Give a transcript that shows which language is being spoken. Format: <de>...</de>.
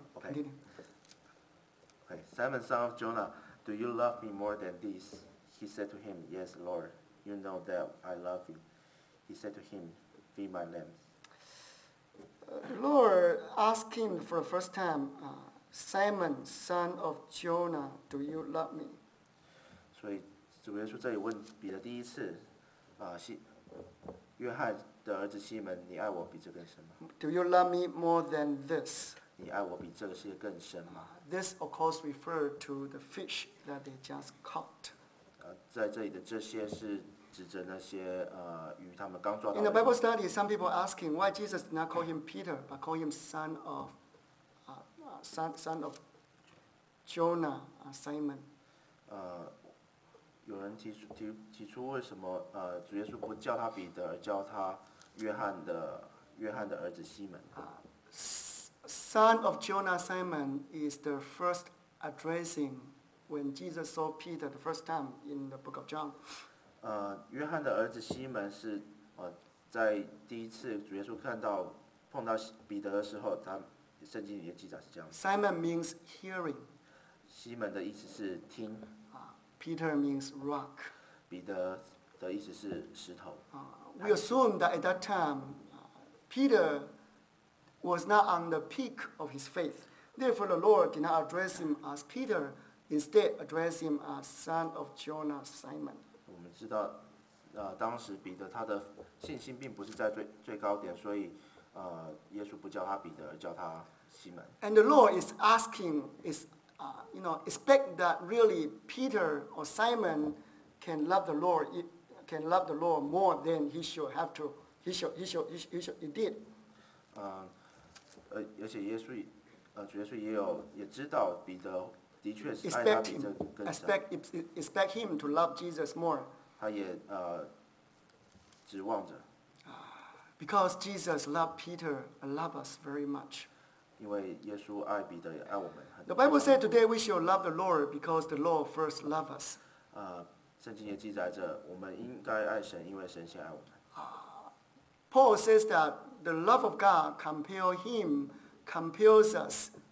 <en>Okay, Simon, son of Jonah, do you love me more than this? He said to him, yes, Lord. You know that I love you. He said to him, feed my lambs. The Lord asked him for the first time, Simon, son of Jonah, do you love me?</en> <zh>所以主耶稣这里问彼得第一次，约翰的儿子西门，你爱我比这更深吗？</zh> <en>Do you love me more than this?</en> <zh>你爱我比这个世界更深吗？</zh> <en>This of course referred to the fish that they just caught.</en> <zh>在这里的这些是指着那些鱼，他们刚抓到的。</zh> <en>In the Bible study, some people asking why Jesus did not call him Peter, but call him son of Jonah, Simon.</en> <zh>有人提出为什么主耶稣不叫他彼得，而叫他约翰的儿子西门。</zh> <en>Son of Jonah, Simon is the first addressing. When Jesus saw Peter the first time in the book of John,</en> <zh>约翰的儿子西门是在第一次主耶稣碰到彼得的时候，他圣经里面记载是这样。</zh> <en>Simon means hearing.</en> <zh>西门的意思是听。</zh> <en>Peter means rock.</en> <zh>彼得的意思是石头。</zh> <en>We assume that at that time, Peter was not on the peak of his faith. Therefore, the Lord did not address him as Peter. Instead, address him as son of Jonah, Simon.</en> <zh>我们知道，当时彼得他的信心并不是在最高点，所以，耶稣不叫他彼得，而叫他西门。</zh> <en>And the Lord is asking, expect that really Peter or Simon can love the Lord, can love the Lord more than he should have to. He did.</en> <zh>而且耶稣，主耶稣也知道彼得。的确是爱他比这更深。</zh> <en>Expect him to love Jesus more.</en> <zh>他也指望着。</zh> <en>Because Jesus loved Peter and loved us very much.</en> <zh>因为耶稣爱彼得，也爱我们。</zh> <en>The Bible said today we shall love the Lord because the Lord first loved us.</en> <zh>圣经也记载着，我们应该爱神，因为神先爱我们。</zh> <en>Paul says that the love of God compels us.</en>